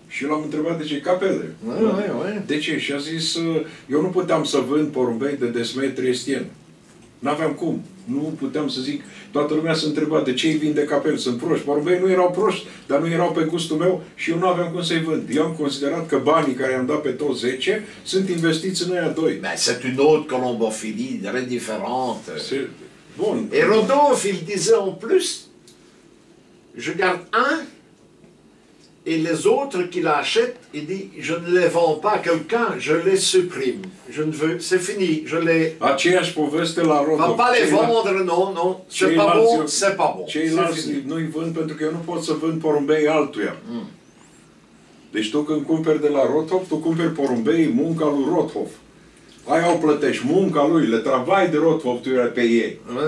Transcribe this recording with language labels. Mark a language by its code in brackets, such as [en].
[ro] Și l-am întrebat de ce capele. De ce? Și a zis, eu nu puteam să vând porumbei de desmetri estien. N-aveam cum. Nu puteam să zic. Toată lumea se întreba de ce îi vinde capel. Sunt proști. Porumbei nu erau proști, dar nu erau pe gustul meu și eu nu aveam cum să-i vând. Eu am considerat că banii care i-am dat pe toți 10 sunt investiți în aia 2. [fr] C'est une autre colombophilie, très différente. [ro] Bun. [fr] Et Rodolphe, il disait en plus, je garde un. Et les autres qui l'achètent, il dit, je ne les vends pas à quelqu'un, je les supprime. Je ne veux, c'est fini, je les... [ro] Aceeași poveste la Rodo. [fr] Va pas les vendre, non, non, c'est pas bon, c'est pas bon. [ro] Ceilalți nu-i vând pentru că eu nu pot să vând porumbei altuia. Deci tu când cumperi de la Rodhoff, tu cumperi porumbei munca lui Rodhoff. Aia o plătești, munca lui, [fr] le travai de Rodhoff, [ro] tu erai pe ei.